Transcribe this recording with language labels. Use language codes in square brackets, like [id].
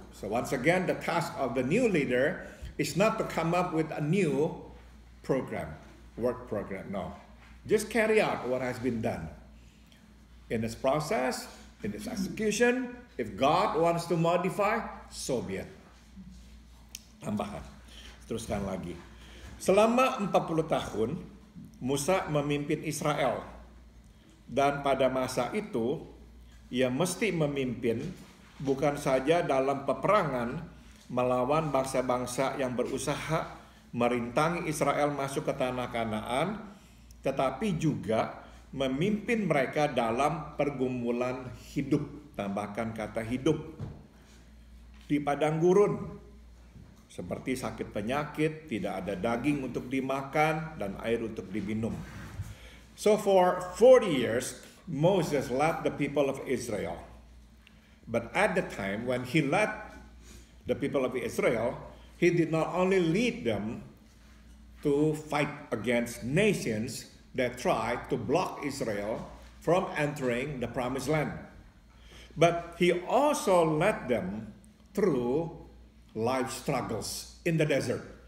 [en] So once again, the task of the new leader is not to come up with a new program, work program, no. Just carry out what has been done. In this process, in this execution, if God wants to modify, so be it. [id] Tambahan. Teruskan lagi. Selama 40 tahun, Musa memimpin Israel. Dan pada masa itu, ia mesti memimpin bukan saja dalam peperangan melawan bangsa-bangsa yang berusaha merintangi Israel masuk ke tanah Kanaan, tetapi juga memimpin mereka dalam pergumulan hidup. Tambahkan kata hidup. Di padang gurun, seperti sakit penyakit, tidak ada daging untuk dimakan dan air untuk diminum. [en] So for 40 years, Moses led the people of Israel. But at the time when he led the people of Israel, he did not only lead them to fight against nations that tried to block Israel from entering the promised land, but he also led them through life struggles in the desert.